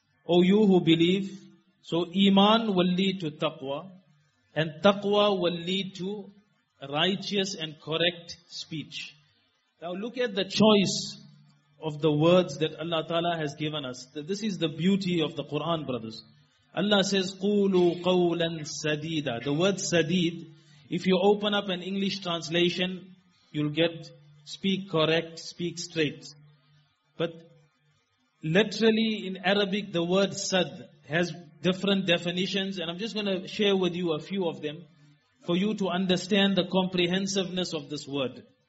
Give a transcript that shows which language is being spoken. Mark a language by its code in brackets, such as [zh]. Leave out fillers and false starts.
[en] O you who believe. So iman will lead to taqwa. And taqwa will lead to righteous and correct speech. Now look at the choice of the words that Allah Ta'ala has given us. This is the beauty of the Quran, brothers. Allah says, [ar] قُولُوا قَوْلًا سَدِيدًا. [en] The word sadid, if you open up an English translation, you'll get speak correct, speak straight. But literally in Arabic, the word sad has different definitions, and I'm just going to share with you a few of them for you to understand the comprehensiveness of this word.